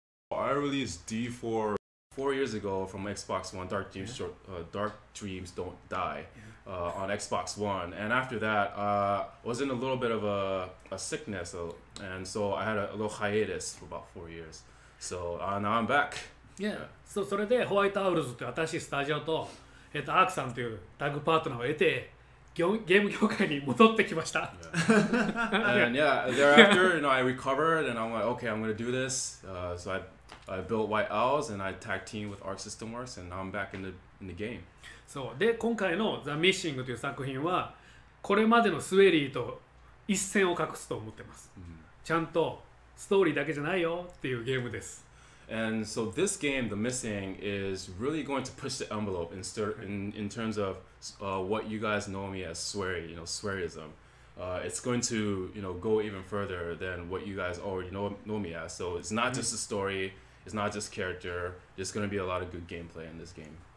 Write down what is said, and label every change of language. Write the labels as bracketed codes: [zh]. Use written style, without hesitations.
[en] I released D4 4 years ago from Xbox One, Dark Dreams, yeah. Dark Dreams Don't Die, yeah. On Xbox One. And after that, I was in a little bit of a sickness, and so I had a little hiatus for about 4 years. So now I'm back. Yeah. [ja] So, それでホワイトアウルズという新しいスタジオと、アークさんというタッグパートナーを得て、ゲーム業界に戻ってきました。 Yeah. [en] And yeah, thereafter, you know, I recovered and I'm like, okay, I'm gonna do this. So I built White Owls and I tag team with Arc System Works and now I'm back in the game. [ja] そう。で、今回の The Missing という作品は、これまでのスウェリーと一線を画すと思ってます。Mm-hmm. ちゃんとストーリーだけじゃないよっていうゲームです。 [en] And so this game, The Missing, is really going to push the envelope in terms of what you guys know me as Swery, you know, Swerism. It's going to, you know, go even further than what you guys already know me as. So it's not just a story, it's not just character, there's going to be a lot of good gameplay in this game.